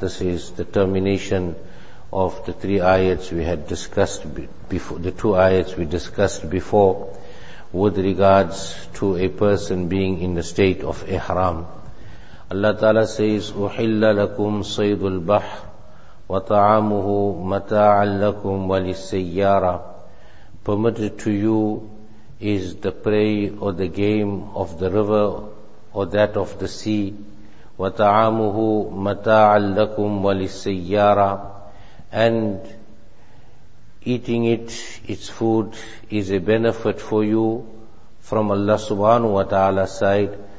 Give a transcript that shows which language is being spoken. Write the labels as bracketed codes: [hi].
[en] This is the termination of the three ayats we had discussed before, the two ayats we discussed before with regards to a person being in the state of ihram. Allah Ta'ala says, [ar] أُحِلَّ لَكُمْ صَيْدُ الْبَحْرِ وَطَعَامُهُ مَتَاعًا لَكُمْ وَلِلسَّيَّارَةِ. [en] Permitted to you is the prey or the game of the river or that of the sea. [ar] وَطَعَامُهُ مَتَاعًا لَكُمْ وَلِلسَّيَّارَةِ. [en] And eating it, its food, is a benefit for you from Allah subhanahu wa ta'ala's side.